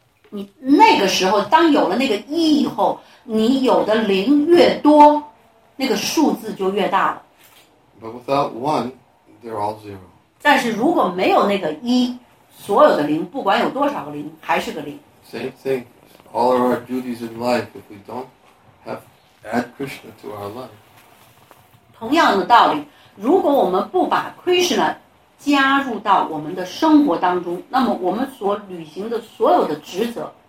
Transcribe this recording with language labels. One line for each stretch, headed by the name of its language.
Chinese: 你那个时候，当有了那个一以后，你有的零越多，那个数字就越大了。But
English: without one, they're all zero.
Chinese: 但是如果没有那个一，所有的零，不管有多少个零，还是个零。Same
English: thing. All of our duties in life, if we don't have add Krishna to our life.
Chinese: 同样的道理，如果我们不把 Krishna 加入到我们的生活当中，那么我们所履行的所有的职责。